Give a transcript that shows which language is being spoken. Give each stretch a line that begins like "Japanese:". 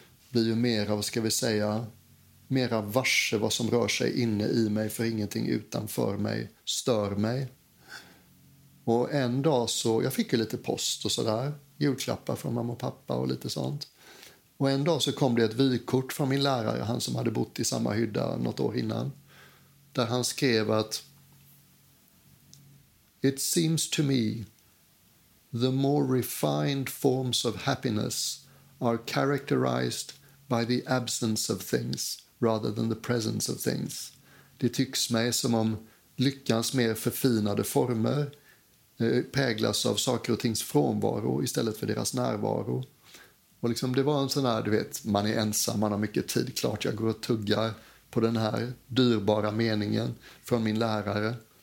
Swedish: Blir ju mera, vad ska vi säga, mera varse vad som rör sig inne i mig, för ingenting utanför mig stör mig. Och en dag så, jag fick ju lite post och sådär, julklappar från mamma och pappa och lite sånt. Och en dag så kom det ett vykort från min lärare, han som hade bott i samma hydda något år innan. Där han skrev att,
English: it seems to me the more refined forms of happiness are characterized by the absence of things rather than the presence of things.
Swedish: Det tycks mig som om lyckans mer förfinade former präglas av saker och tings frånvaro istället för deras närvaro. Och liksom det var en sån här, du vet, man är ensam, man har mycket tid, klart jag går och tuggar på den här dyrbara meningen från min lärare.